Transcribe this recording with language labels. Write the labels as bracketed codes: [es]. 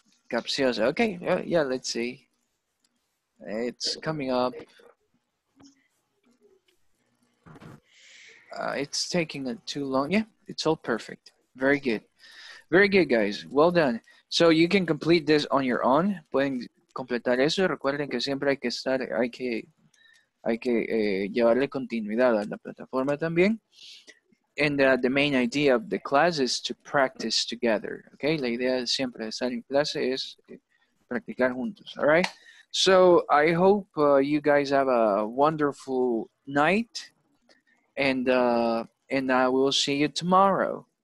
[en] Okay, yeah, let's see. It's coming up. It's taking too long. Yeah, it's all perfect. Very good. Very good, guys. Well done. So you can complete this on your own. [es] Pueden completar eso. Recuerden que siempre hay que estar, hay que llevarle continuidad a la plataforma también. [en] And the main idea of the class is to practice together. [es] Okay, la idea siempre de estar en clase es practicar juntos. [en] All right. So I hope you guys have a wonderful night, and I will see you tomorrow.